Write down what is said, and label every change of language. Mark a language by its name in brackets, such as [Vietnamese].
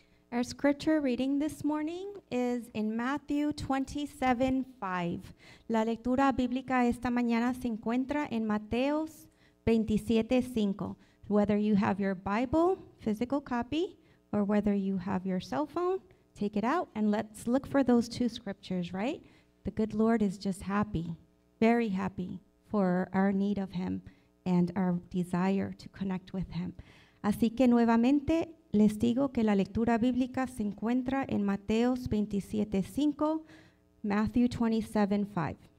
[English] Our scripture reading this morning is in Matthew 27:5. [Spanish] La lectura bíblica esta mañana se encuentra en Mateo 27:5. [English] Whether you have your Bible, physical copy, or whether you have your cell phone, take it out and let's look for those two scriptures, right? The good Lord is just happy, very happy for our need of him and our desire to connect with him. [Spanish] Así que nuevamente, les digo que la lectura bíblica se encuentra en Mateo 27:5, Matthew 27:5.